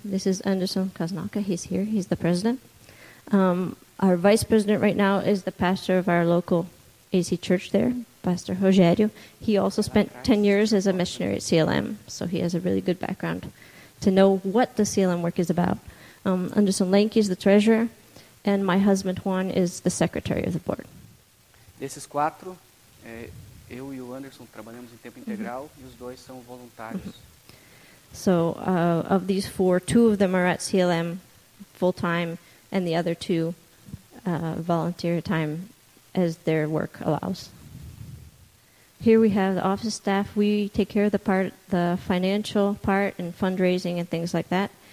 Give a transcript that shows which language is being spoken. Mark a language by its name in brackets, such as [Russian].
[English] This is Anderson Kaznaka. He's here. He's the president. Our vice president right now is the pastor of our local AC church there, Pastor Rogério. He also spent 10 years as a missionary at CLM, so he has a really good background to know what the CLM work is about. Anderson Lenke is the treasurer, and my husband Juan is the secretary of the board. [Portuguese] Desses quatro, eu e o Anderson trabalhamos em tempo integral, mm-hmm. e os dois são voluntários. Mm-hmm. [English] So, of these four, two of them are at CLM full-time, and the other two volunteer time as their work allows. Here we have the office staff. We take care of the financial part and fundraising and things like that.